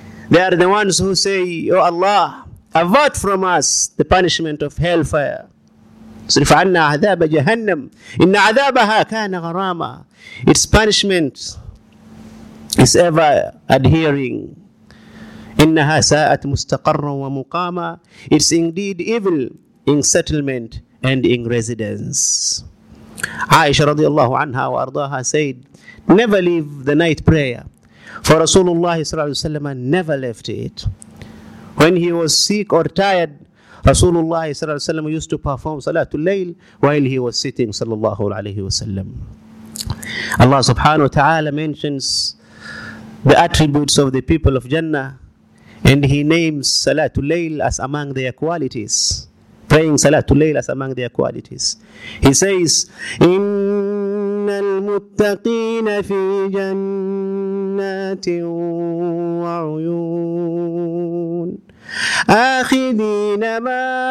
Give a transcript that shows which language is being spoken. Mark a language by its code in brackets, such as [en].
[en] They are the ones who say, O Allah, avert from us the punishment of hellfire. [ar] صرف عنا عذاب جهنم إن عذابها كان غراما. [en] Its punishment is ever adhering, [ar] إنها ساءت مستقرا ومقاما. [en] It's indeed evil in settlement and in residence. Aisha رضي الله عنها وأرضاها said, never leave the night prayer. For Rasulullah صلى الله عليه وسلم never left it. When he was sick or tired, Rasulullah صلى الله عليه وسلم used to perform Salatul Layl while he was sitting صلى الله عليه وسلم. Allah subhanahu wa ta'ala mentions the attributes of the people of Jannah, and he names Salatul Layl as among their qualities. Praying Salatul Layl as among their qualities. He says, [ar] إِنَّ الْمُتَّقِينَ فِي جَنَّاتٍ وَعُيُونَ آخذين ما